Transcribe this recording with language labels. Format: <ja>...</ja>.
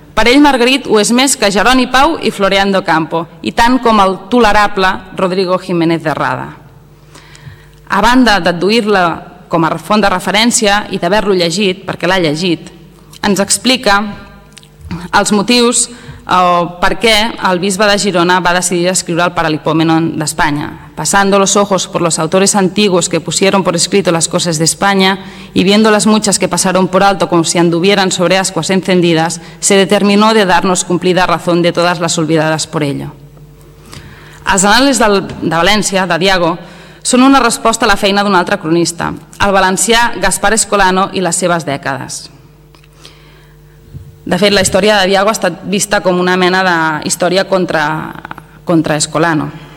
<ca>Per ell, Margarit ho és més que Jeroni Pau i Florian d'Ocampo, i tant com el tolerable Rodrigo Jiménez de Rada. A banda d'adduir-la com a font de referència i d'haver-lo llegit, perquè l'ha llegit, ens explica els motius per què el bisbe de Girona va decidir escriure el Paralipomenon d'Espanya.</ca> <es>Pasando los ojos por los autores antiguos que pusieron por escrito las cosas de España y viendo las muchas que pasaron por alto como si anduvieran sobre ascuas encendidas, se determinó de darnos cumplida razón de todas las olvidadas por ello.</es> <ca>Els anales de València, de Diago, són una resposta a la feina d'un altre cronista, el valencià Gaspar Escolano i les seves dècades. De fet, la història de Diago ha estat vista com una mena d'història contra Escolano.</ca>